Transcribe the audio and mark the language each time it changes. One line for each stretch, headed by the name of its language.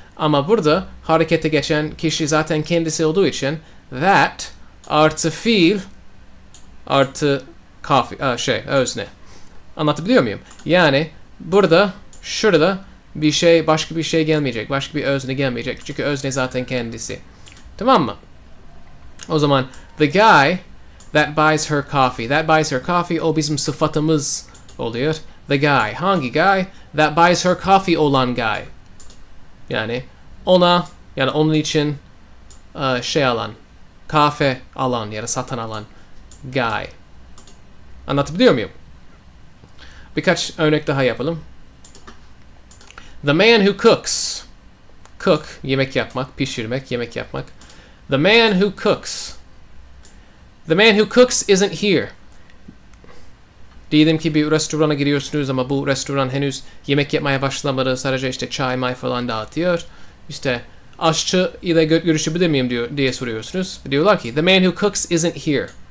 Turkish: Ama burada harekete geçen kişi zaten kendisi olduğu için that artı fiil artı coffee, şey, özne. Anlatabiliyor muyum? Yani burada, şurada bir şey, başka bir şey gelmeyecek. Başka bir özne gelmeyecek. Çünkü özne zaten kendisi. Tamam mı? O zaman
English: the guy that buys her coffee. That buys her coffee,
Turkish: o bizim sıfatımız oluyor.
English: The guy.
Turkish: Hangi
English: guy? That buys her coffee olan guy.
Turkish: Yani ona, yani onun için şey alan, kahve alan ya da satın alan guy. Anlatabiliyor muyum? Birkaç örnek daha yapalım.
English: The man who cooks. Cook,
Turkish: yemek yapmak, pişirmek, yemek yapmak.
English: The man who cooks. The man who cooks isn't here.
Turkish: Diyelim ki bir restorana giriyorsunuz ama bu restoran henüz yemek yapmaya başlamadı. Sadece işte çay may falan dağıtıyor. İşte aşçı ile görüşebilir miyim diye soruyorsunuz. Diyorlar ki
English: the man who cooks isn't here.